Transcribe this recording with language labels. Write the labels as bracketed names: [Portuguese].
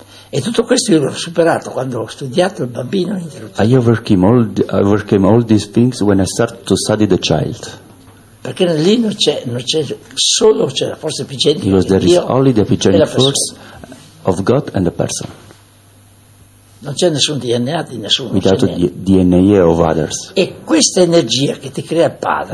[Italian] E tutto questo io l'ho superato quando ho studiato il bambino interruttore. [English] I overcame all these things when I started to study the child. [Italian] Perché lì non c'è solo c'è la forza epigenica di Dio. [English] Because there is only the epigenic force of God and the person. [Italian] Non c'è nessun DNA di nessuno. [English] Without DNA of others. [Italian] E questa energia che ti crea il padre.